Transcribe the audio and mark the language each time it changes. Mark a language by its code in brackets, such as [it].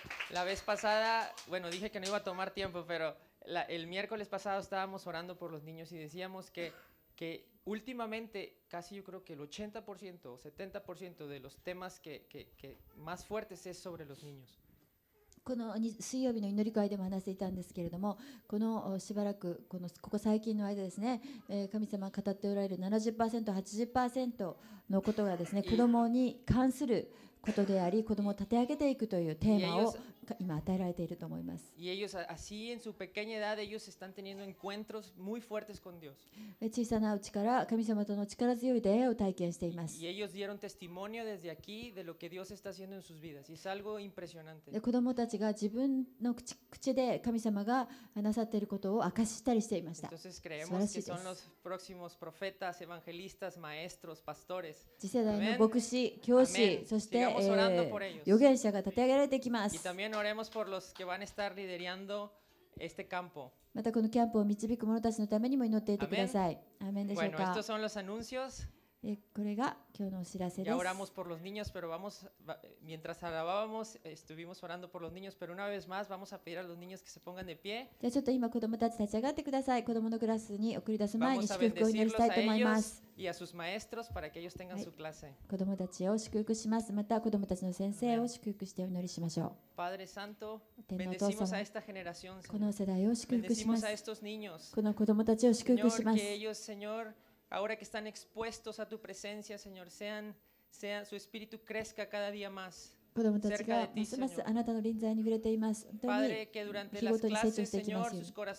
[es] La vez pasada, bueno, dije que no iba a tomar tiempo, pero el miércoles pasado estábamos orando por los niños y decíamos que últimamente casi yo creo que el 80% o 70% de los temas que más fuertes es sobre los niños. [ja] この水曜日の祈り会でも話していたんですけれども、このしばらく ここ最近の間ですね、神様が語っておられる 70%、80% のことがですね、子どもに関することであり、子どもを立て上げていくというテーマを今与えられていると思います。小さなうちから神様との力強い出会いを体験しています。子供たちが自分の 口で神様がなさっていることを明かしたりしていました。素晴らしいです。次世代の牧師、教師、そして預言者が立て上げられていきます。 [es] Oremos por los que van a estar liderando este campo. [ja] またこのキャンプを導く者たちのためにも祈っていてください。アーメンでしょうか。 [es] Bueno, estos son los anuncios. [ja] これが今日のお知らせです。 [es] Ya oramos por los niños, pero vamos, mientras alabábamos, estuvimos orando por los niños, pero una vez más vamos a pedir a los niños que se pongan de pie. [ja] じゃあちょっと今子供たち立ち上がってください。子供のクラスに送り出す前に祝福を祈りたいと思います。 [es] Y a sus maestros para que ellos tengan su clase. [ja] 子供たちを祝福します。また子供たちの先生を祝福してお祈りしましょう。 [es] Padre Santo, bendecimos a esta generación. [ja] この世代を祝福します。 [es] Bendecimos a estos niños. [ja] この子供たちを祝福します。 [es] Señor, que ellos, Señor, ahora que están expuestos a tu presencia, Señor, sea su espíritu crezca cada día más. [ja] 子供たちがますますあなたの臨在に触れています。本当に日ごとに成長していきますように。